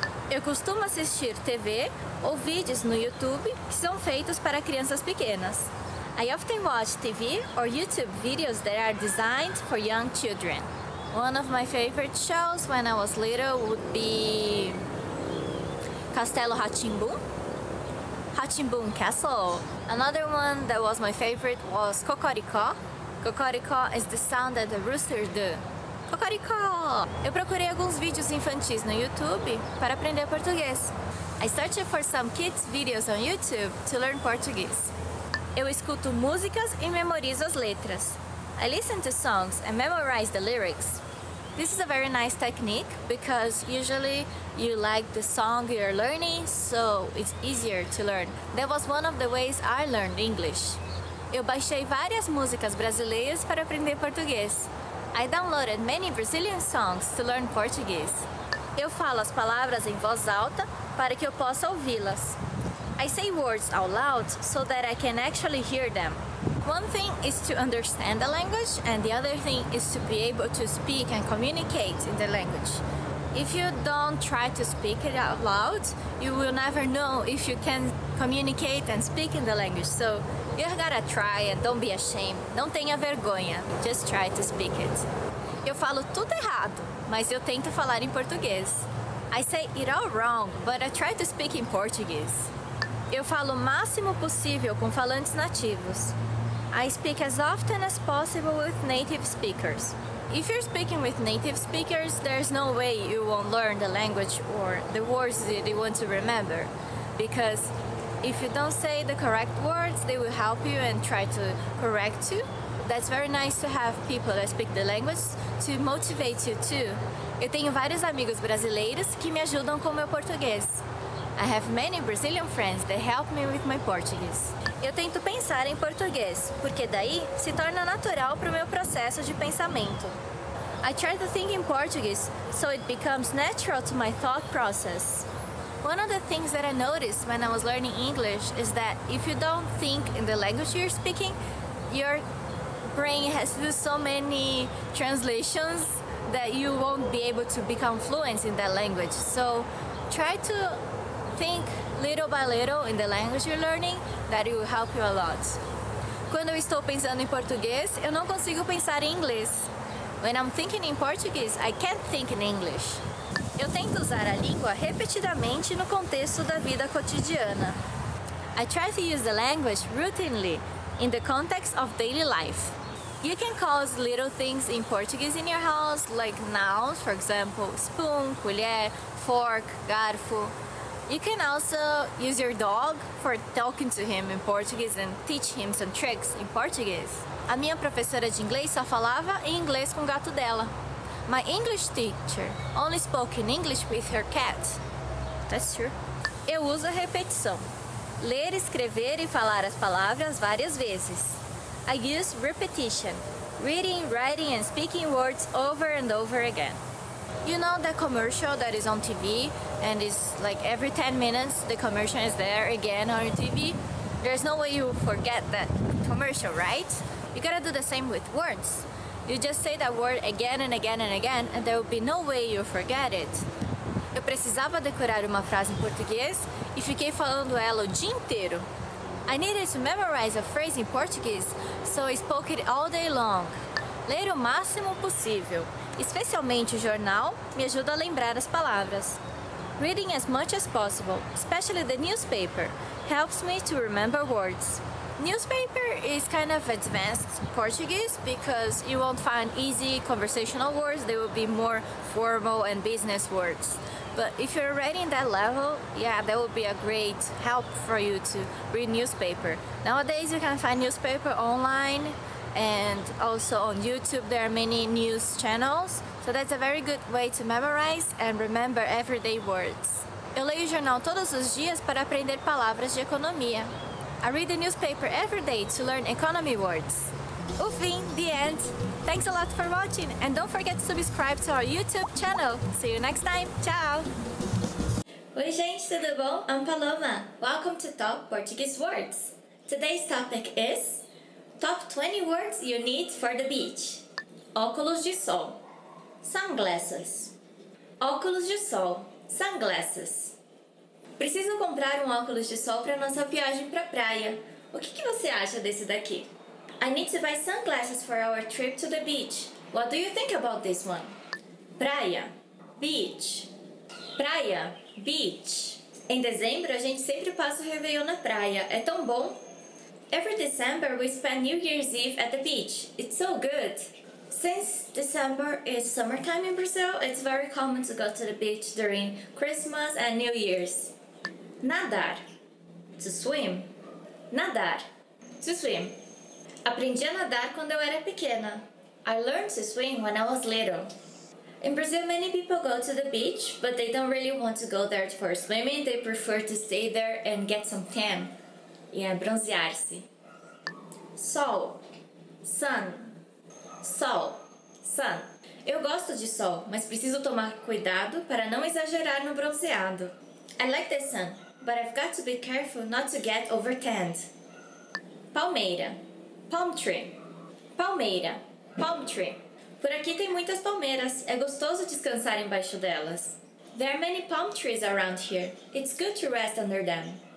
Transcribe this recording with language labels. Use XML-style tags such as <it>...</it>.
<pt>Eu costumo assistir TV ou vídeos no YouTube que são feitos para crianças pequenas.</pt> <en>I often watch TV or YouTube videos that are designed for young children. One of my favorite shows when I was little would be Castelo Rá-Tim-Bum. Rá-Tim-Bum Castle. Another one that was my favorite was Cocoricó. Cocoricó is the sound that the rooster do. Cocoricó!</en> <pt>Eu procurei alguns vídeos infantis no YouTube para aprender português.</pt> <en>I searched for some kids' videos on YouTube to learn Portuguese.</en> <pt>Eu escuto músicas e memorizo as letras.</pt> <en>I listen to songs and memorize the lyrics. This is a very nice technique because usually you like the song you're learning, so it's easier to learn. That was one of the ways I learned English.</en> <pt>Eu baixei várias músicas brasileiras para aprender português.</pt> <en>I downloaded many Brazilian songs to learn Portuguese.</en> <pt>Eu falo as palavras em voz alta para que eu possa ouvi-las.</pt> <en>I say words out loud so that I can actually hear them. One thing is to understand the language, and the other thing is to be able to speak and communicate in the language. If you don't try to speak it out loud, you will never know if you can communicate and speak in the language. So you gotta try and don't be ashamed.</en> <pt>Não tenha vergonha.</pt> <en>Just try to speak it.</en> <pt>Eu falo tudo errado, mas eu tento falar em português.</pt> <en>I say it all wrong, but I try to speak in Portuguese.</en> <pt>Eu falo o máximo possível com falantes nativos.</pt> <en>I speak as often as possible with native speakers. If you're speaking with native speakers, there's no way you won't learn the language or the words that you want to remember. Because if you don't say the correct words, they will help you and try to correct you. That's very nice to have people that speak the language to motivate you too.</en> <pt>Eu tenho vários amigos brasileiros que me ajudam com meu português.</pt> <en>I have many Brazilian friends that help me with my Portuguese.</en> <pt>Eu tento pensar em português, porque daí se torna natural para o meu processo de pensamento.</pt> <en>I try to think in Portuguese, so it becomes natural to my thought process. One of the things that I noticed when I was learning English is that if you don't think in the language you're speaking, your brain has to do so many translations that you won't be able to become fluent in that language. So try to think little by little in the language you're learning, that will help you a lot.</en> <pt>Quando eu estou pensando em português, eu não consigo pensar em inglês.</pt> <en>When I'm thinking in Portuguese, I can't think in English.</en> <pt>Eu tento usar a língua repetidamente no contexto da vida cotidiana.</pt> <en>I try to use the language routinely in the context of daily life. You can call us little things in Portuguese in your house, like nouns, for example, spoon, colher, fork, garfo. You can also use your dog for talking to him in Portuguese and teach him some tricks in Portuguese.</en> <pt>A minha professora de inglês só falava em inglês com o gato dela.</pt> <en>My English teacher only spoke in English with her cat. That's true.</en> <pt>Eu uso a repetição. Ler, escrever e falar as palavras várias vezes.</pt> <en>I use repetition. Reading, writing and speaking words over and over again. You know that commercial that is on TV and is like every 10 minutes the commercial is there again on your TV? There's no way you forget that commercial, right? You gotta do the same with words. You just say that word again and again and again and there will be no way you forget it.</en> <pt>Eu precisava decorar uma frase em português e fiquei falando ela o dia inteiro.</pt> <en>I needed to memorize a phrase in Portuguese, so I spoke it all day long.</en> <pt>Ler o máximo possível. Especialmente o jornal me ajuda a lembrar as palavras.</pt> <en>Reading as much as possible, especially the newspaper, helps me to remember words. Newspaper is kind of advanced Portuguese because you won't find easy conversational words. They will be more formal and business words. But if you're already in that level, yeah, that would be a great help for you to read newspaper. Nowadays, you can find newspaper online. And also on YouTube, there are many news channels. So that's a very good way to memorize and remember everyday words.</en> <pt>Eu leio o jornal todos os dias para aprender palavras de economia.</pt> <en>I read the newspaper every day to learn economy words.</en> <pt>O fim,</pt> <en>the end. Thanks a lot for watching. And don't forget to subscribe to our YouTube channel. See you next time. Ciao.</en> <pt>Oi, gente, tudo bom?</pt> <en>I'm Paloma. Welcome to Top Portuguese Words. Today's topic is... Top 20 words you need for the beach.</en> <pt>Óculos de sol.</pt> <en>Sunglasses.</en> <pt>Óculos de sol.</pt> <en>Sunglasses.</en> <pt>Preciso comprar um óculos de sol para nossa viagem para a praia. O que você acha desse daqui?</pt> <en>I need to buy sunglasses for our trip to the beach. What do you think about this one?</en> <pt>Praia. Beach. Praia. Beach. Em dezembro, a gente sempre passa o Réveillon na praia. É tão bom.</pt> <en>Every December, we spend New Year's Eve at the beach. It's so good. Since December is summertime in Brazil, it's very common to go to the beach during Christmas and New Year's. Nadar. To swim.</en> <pt>Nadar.</pt> <en>To swim.</en> <pt>Aprendi a nadar quando eu era pequena.</pt> <en>I learned to swim when I was little. In Brazil, many people go to the beach, but they don't really want to go there for swimming. They prefer to stay there and get some tan.</en> <pt>Yeah, bronzear-se. Sol. Sun. Sol.</pt> <en>Sun.</en> <pt>Eu gosto de sol, mas preciso tomar cuidado para não exagerar no bronzeado.</pt> <en>I like the sun, but I've got to be careful not to get overtanned.</en> <pt>Palmeira.</pt> <en>Palm tree.</en> <pt>Palmeira.</pt> <en>Palm tree.</en> <pt>Por aqui tem muitas palmeiras. É gostoso descansar embaixo delas.</pt> <en>There are many palm trees around here. It's good to rest under them.</en>